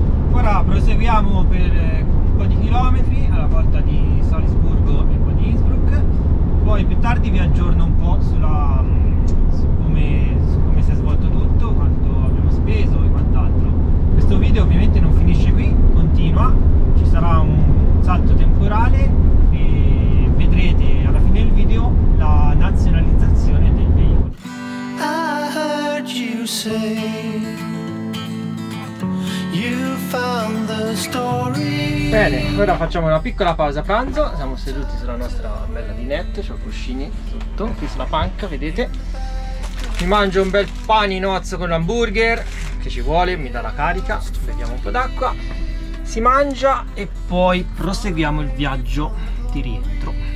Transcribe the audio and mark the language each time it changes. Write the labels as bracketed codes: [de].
[it] Ora proseguiamo per un po' di chilometri alla volta di Salzburgo e poi di Innsbruck, poi più tardi vi aggiorno un po' su come si è svolto tutto, quanto abbiamo speso e quant'altro. Questo video ovviamente non finisce qui, continua, ci sarà un salto temporale e vedrete alla fine del video la nazionalizzazione del veicolo. [en] I heard you say you found the story. [it] Bene, ora facciamo una piccola pausa pranzo, siamo seduti sulla nostra bella dinette, c'ho cuscini sotto, qui sulla panca, vedete? Mi mangio un bel paninozzo con l'hamburger che ci vuole, mi dà la carica, beviamo un po' d'acqua, si mangia e poi proseguiamo il viaggio di rientro.